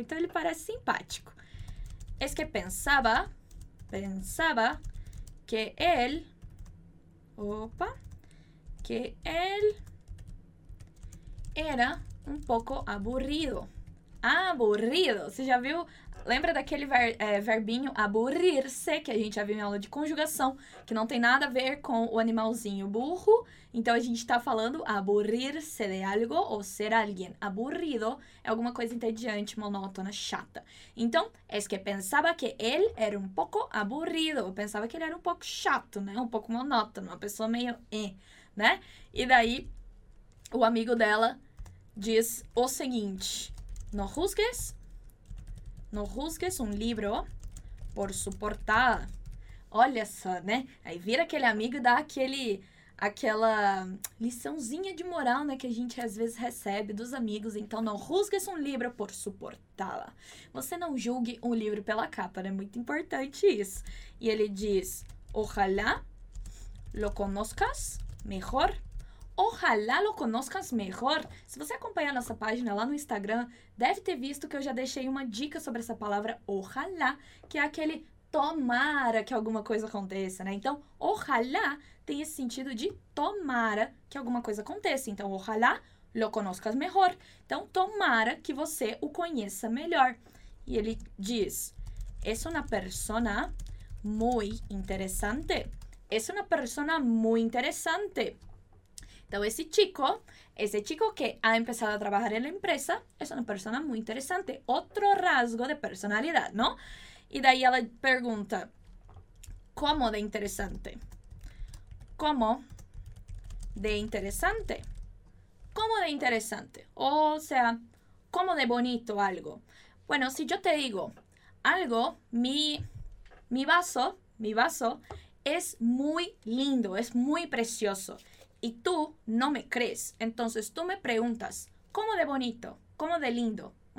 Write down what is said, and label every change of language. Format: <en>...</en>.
<es>Entonces, él parece simpático. Es que pensaba que él... Opa. Que él era un poco aburrido. Aburrido. ¿Se ya vio?</es> <pt>Lembra daquele verbinho aburrir-se, que a gente já viu em aula de conjugação, que não tem nada a ver com o animalzinho burro. Então, a gente está falando aburrir-se de algo ou ser alguém. Aburrido é alguma coisa entediante, monótona, chata.</pt> <es>Então, es que pensaba que él era un poco aburrido.</es> <pt>Eu pensava que ele era um pouco chato, né? Um pouco monótono, uma pessoa meio, né? E daí, O amigo dela diz o seguinte:</pt> <es>no juzgues, no juzgues</es> <pt>um livro</pt> <es>por su portada.</es> <pt>Olha só, né? Aí vira aquele amigo e dá aquela liçãozinha de moral, né, que a gente às vezes recebe dos amigos. Então, não juzgues um livro por suportá-la. Você não julgue um livro pela capa, né? Muito importante isso. E ele diz:</pt> <es>ojalá lo conozcas mejor. Ojalá lo conozcas mejor.</es> <pt>Se você acompanha a nossa página lá no Instagram, deve ter visto que eu já deixei uma dica sobre essa palavra ojalá, que é aquele tomara que alguma coisa aconteça, né? Então, ojalá tem esse sentido de tomara que alguma coisa aconteça.</pt> <es>Então, ojalá lo conozcas mejor.</es> <pt>Então, tomara que você o conheça melhor. E ele diz:</pt> <es>es una persona muy interesante. Es una persona muy interesante. Então, esse chico que ha empezado a trabajar en la empresa, es una persona muy interesante. Otro rasgo de personalidad, ¿no?</es> <pt>E daí ela pergunta:</pt> <es>como de interessante? Como de interessante? Como de interessante?</es> <pt>Ou seja, como de bonito algo? Bueno, se eu te digo algo, mi vaso é muito lindo, é muito precioso, e tu não me crees, então tu me perguntas: como de bonito? Como de lindo?</pt>